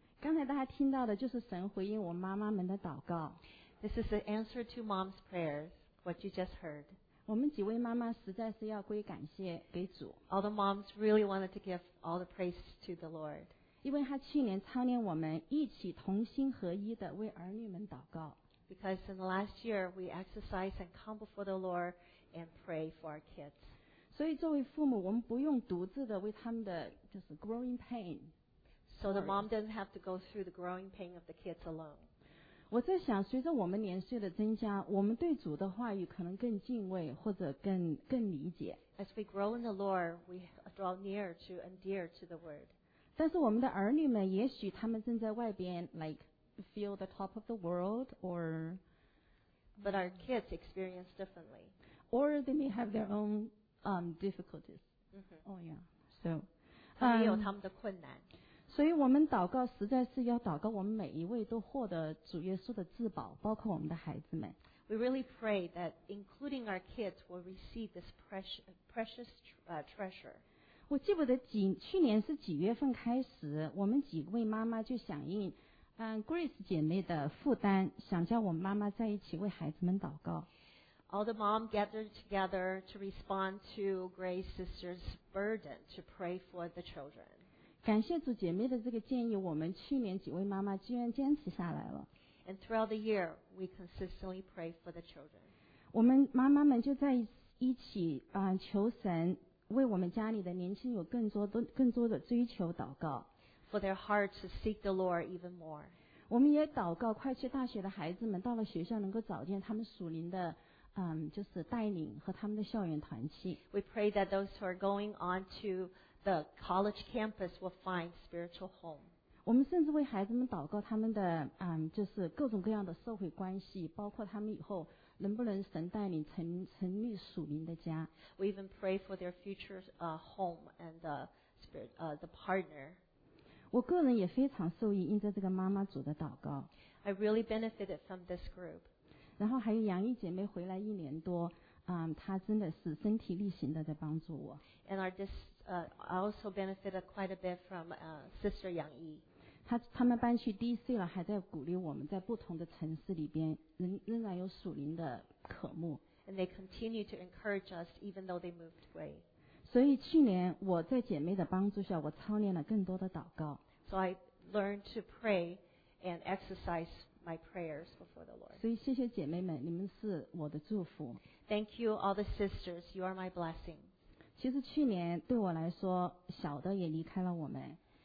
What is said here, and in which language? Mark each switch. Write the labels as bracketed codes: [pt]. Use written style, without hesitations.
[zh] 刚才大家听到的就是神回应我妈妈们的祷告。 [en] This is the answer to mom's prayers, what you just heard. [zh] 我们几位妈妈实在是要归感谢给主。 [en] All the moms really wanted to give all the praise to the Lord. [zh] 因为他去年操练我们一起同心合一的为儿女们祷告。 [en] Because in the last year, we exercise and come before the Lord and pray for our kids. [zh] 所以作为父母，我们不用独自的为他们的就是 growing pain. [en] So the mom doesn't have to go through the growing pain of the kids alone. [zh] 我在想，随着我们年岁的增加，我们对主的话语可能更敬畏或者更理解。 [en] As we grow in the Lord, we draw near to and dear to the word. [zh] 但是我们的儿女们也许他们正在外边 [en] like feel the top of the world or but our kids experience differently or they may have their own difficulties、 mm-hmm. oh yeah so [zh] 他们有他们的困难所以我们祷告实在是要祷告我们每一位都获得主耶稣的至宝包括我们的孩子们 [en] we really pray that including our kids will receive this precious treasure [zh] 我记不得去年是几月份开始我们几位妈妈就响应、Grace 姐妹的负担想叫我们妈妈在一起为孩子们祷告 [en] All the mom gathered together to respond to Grace sister's burden to pray for the children [zh] 感谢主姐妹的这个建议我们去年几位妈妈居然坚持下来了 [en] And throughout the year we consistently pray for the children [zh] 我们妈妈们就在一起、求神为我们家里的年轻有更多的更多的追求祷告。 [en] For their heart to seek the Lord even more. [zh] 我们也祷告，快去大学的孩子们到了学校能够找见他们属灵的，就是带领和他们的校园团契。 [en] We pray that those who are going on to the college campus will find spiritual home. [zh] 我们甚至为孩子们祷告他们的，就是各种各样的社会关系，包括他们以后能不能神带领成立属灵的家。 [en] We even pray for their future home and the partner. [zh] 我个人也非常受益，因着这个妈妈组的祷告。 [en] I really benefited from this group. [zh] 然后还有杨毅姐妹回来一年多，她真的是身体力行的在帮助我。 [en] And I also benefited quite a bit from Sister Yang Yi. [zh] 他们搬去 DC 了，还在鼓励我们在不同的城市里边仍然有属灵的渴慕。 [en] And they continue to encourage us even though they moved away. [zh] 所以去年我在姐妹的帮助下，我操练了更多的祷告。 [en] So I learned to pray and exercise my prayers before the Lord. [zh] 所以谢谢姐妹们，你们是我的祝福。 [en] Thank you all the sisters, you are my blessing. [zh] 其实去年对我来说，小的也离开了我们。